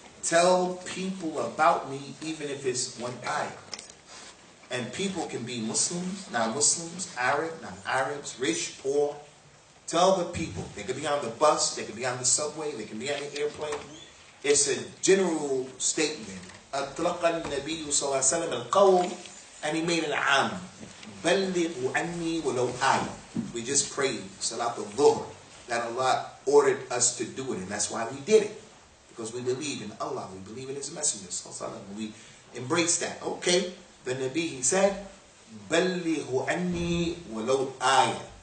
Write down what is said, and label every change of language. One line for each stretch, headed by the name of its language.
English: Tell people about me, even if it's one ayah. And people can be Muslims, non-Muslims, Arab, non-Arabs, rich, poor. Tell the people. They can be on the bus, they can be on the subway, they can be on the airplane. It's a general statement.
Arabic: أَطْلَقَ النَّبِيُّ صَلَّى اللَّهُ عَلَيْهِ وَسَلَّمَ الْقَوْلِ
English: And he made an am.
Arabic: بَلِّغُ عَنِّي وَلَوْ آيَةٍ.
English: We just prayed, Salat al-Dhuhr, that Allah ordered us to do it, and that's why we did it. Because we believe in Allah, we believe in His Messenger, sallallahu alaihi wasallam. We embrace that. Okay, the Nabi, he said,
Arabic: بَلِّغُ عَنِّي وَلَوْ آيَةٍ.